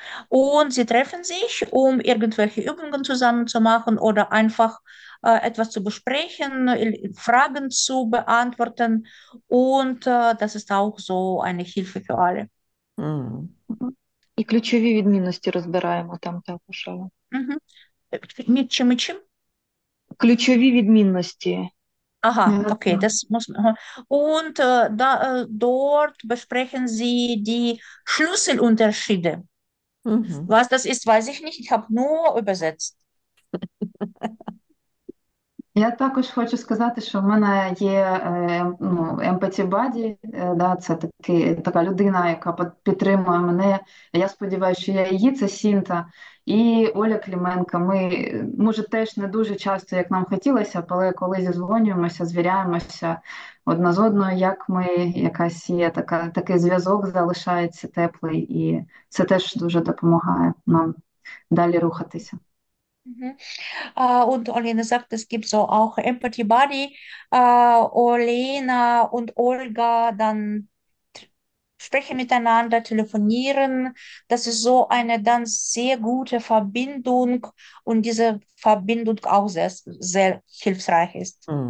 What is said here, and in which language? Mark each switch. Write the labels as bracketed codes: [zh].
[de] Und sie treffen sich, um irgendwelche Übungen zusammen zu machen oder einfach etwas zu besprechen, Fragen zu beantworten. Und das ist auch so eine Hilfe für alle. [uk] І ключові відмінності розбираємо там також. Між чим і чим? Ключові відмінності. Ага, окей, [de] das muss man. Und da, dort besprechen Sie die Schlüsselunterschiede. Was das ist, weiß ich nicht. Ich habe nur übersetzt. [uk] Я також хочу сказати, що в мене є Empathy Buddy, да, це така людина, яка підтримує мене. Я сподіваюся, що я її, це Сінта. І Оля Кліменка, ми, може, теж не дуже часто, як нам хотілося, але коли зізвонюємося, звіряємося одна з одною, як ми, якась є така, такий зв'язок залишається теплий, і це теж дуже допомагає нам далі рухатися. [de] Und Olena sagt, es gibt so auch Empathy Buddy. Olena und Olga dann sprechen miteinander, telefonieren. Das ist so eine dann sehr gute Verbindung und diese Verbindung auch sehr, sehr hilfreich ist.